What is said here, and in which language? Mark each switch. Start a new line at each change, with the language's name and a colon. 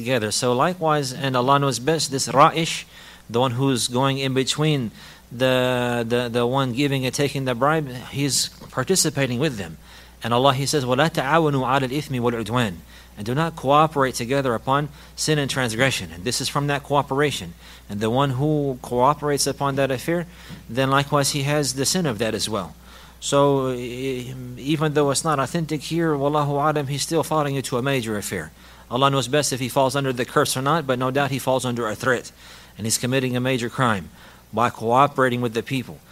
English: So likewise, and Allah knows best, this Ra'ish, the one who's going in between the one giving and taking the bribe, he's participating with them. And Allah, he says,
Arabic: وَلَا تَعَوَنُوا عَلَى الْإِثْمِ وَالْعُدْوَانِ.
English: And do not cooperate together upon sin and transgression. And this is from that cooperation. And the one who cooperates upon that affair, then likewise he has the sin of that as well. So even though it's not authentic here, wallahu a'lam, he's still falling into a major affair. Allah knows best if he falls under the curse or not, but no doubt he falls under a threat, and he's committing a major crime by cooperating with the people.